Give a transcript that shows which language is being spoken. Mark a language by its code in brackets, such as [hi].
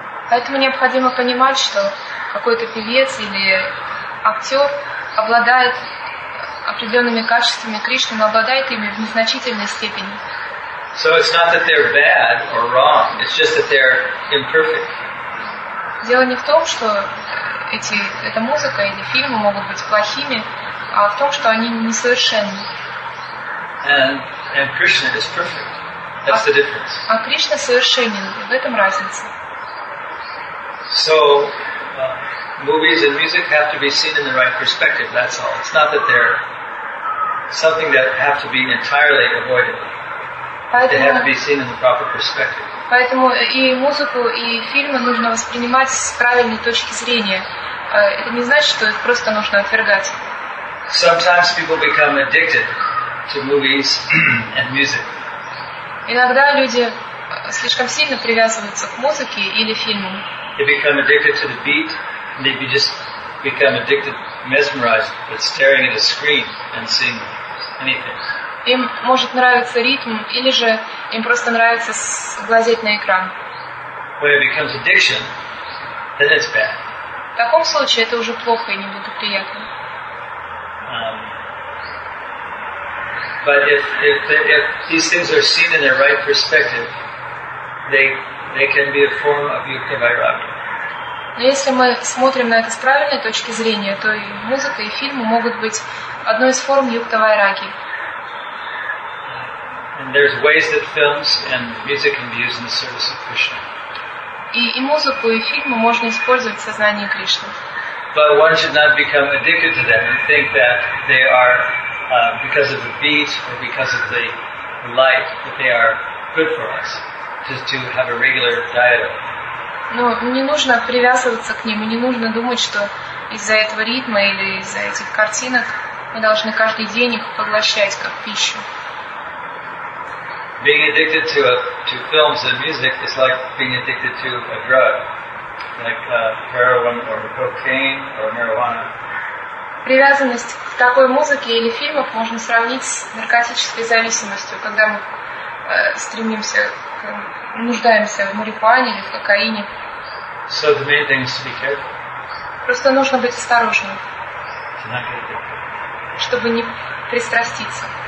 [ru] Поэтому необходимо понимать, что какой-то певец или актер обладает определенными качествами Кришны, но обладает ими в незначительной степени. [en] So it's not that they're bad or wrong, it's just that they're imperfect. [ru] Дело не в том, что эти эта музыка или фильмы могут быть плохими, а в том, что они несовершенны. [en] And Krishna is perfect. That's the difference. [ru] А Кришна совершенен. В этом разница. [en] So movies and music have to be seen in the right perspective, that's all. It's not that they're something that have to be entirely avoided. They have to be seen in the proper perspective. [ru] Поэтому и музыку, и фильмы нужно воспринимать с правильной точки зрения. Это не значит, что их просто нужно отвергать. [en] Sometimes people become addicted to movies and music. [ru] Иногда люди слишком сильно привязываются к музыке или фильмам. [en] They become addicted to the beat, and they just become addicted, mesmerized, but staring at a screen and seeing anything. [ru] Им может нравиться ритм, или же им просто нравится глазеть на экран. [en] When it becomes addiction, then it's bad. [ru] В таком случае это уже плохо и неблагоприятно. [en] But if these things are seen in their right perspective, they can be a form of yukta vairagya. [ru] Но если мы смотрим на это с правильной точки зрения, то и музыка, и фильмы могут быть одной из форм юкта вайраги. [en] And there's ways that films and music can be used in the service of Krishna. [ru] И музыку, и фильмы можно использовать в сознании Кришны. [en] But one should not become addicted to them and think that they are because of the beat or because of the light that they are good for us, just to have a regular diet. [ru] Но не нужно привязываться к ним, и не нужно думать, что из-за этого ритма или из-за этих картинок мы должны каждый день их поглощать как пищу. [en] Being addicted to films and music is like being addicted to a drug, like heroin or cocaine or marijuana. [ru] Привязанность к такой музыке или фильмах можно сравнить с наркотической зависимостью, когда мы стремимся, нуждаемся в марихуане или в кокаине. [en] So the main thing is to be careful. [ru] Просто нужно быть осторожным, чтобы не пристраститься.